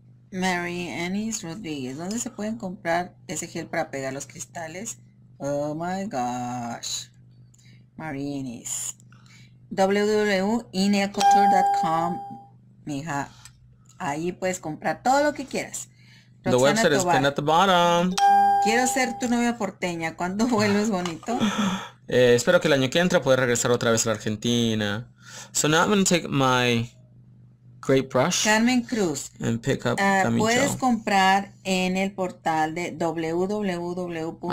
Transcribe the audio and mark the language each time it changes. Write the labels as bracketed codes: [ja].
[es] Mary Annie's Rodriguez, ¿dónde se pueden comprar ese gel para pegar los cristales? [en] Oh my gosh. Marines. [es] www.inelcouture.com. Mija, ahí puedes comprar todo lo que quieras. [en] Roxana, the website is pinned at the bottom. [es] Quiero ser tu novia porteña. ¿Cuándo vuelves, bonito? Espero que el año que entra pueda regresar otra vez a la Argentina. [en] So now I'm going to take my great brush. Carmen Cruz. And pick up Camicho. [es] Puedes comprar en el portal de www.inelcouture.com.